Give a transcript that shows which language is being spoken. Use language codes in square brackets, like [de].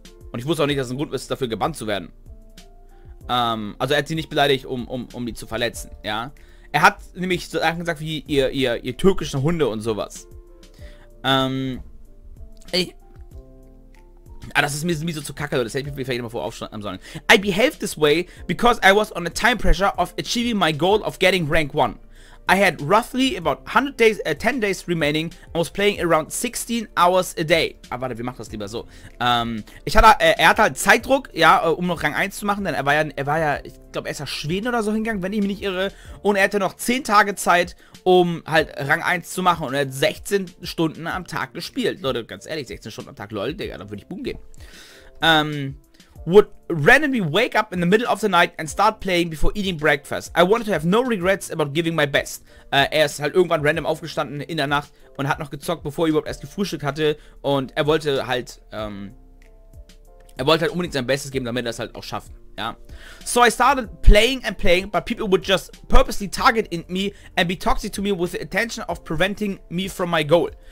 [de] Und ich wusste auch nicht, dass es ein Grund ist, dafür gebannt zu werden. Also er hat sie nicht beleidigt, um die zu verletzen, ja. Er hat nämlich so Sachen gesagt wie ihr türkischen Hunde und sowas. Das ist mir so zu kacke, das hätte ich mir vielleicht mal vorher aufschreiben sollen. [en] I behaved this way because I was on the time pressure of achieving my goal of getting rank 1. I had roughly about 10 days remaining and was playing around 16 hours a day. [de] Aber warte, wir machen das lieber so. Er hatte halt Zeitdruck, ja, um noch Rang 1 zu machen, denn er war ja, ich glaube, er ist ja Schweden oder so hingegangen, wenn ich mich nicht irre. Und er hatte noch 10 Tage Zeit, um halt Rang 1 zu machen. Und er hat 16 Stunden am Tag gespielt. Leute, ganz ehrlich, 16 Stunden am Tag, lol, Digga, da würde ich boom gehen. [en] Would randomly wake up in the middle of the night and start playing before eating breakfast. I wanted to have no regrets about giving my best. [de] Er ist halt irgendwann random aufgestanden in der Nacht und hat noch gezockt, bevor er überhaupt erst gefrühstückt hatte. Und er wollte halt unbedingt sein Bestes geben, damit er es halt auch schafft. Ja. [en] So I started playing and playing, but people would just purposely target in me and be toxic to me with the intention of preventing me from my goal.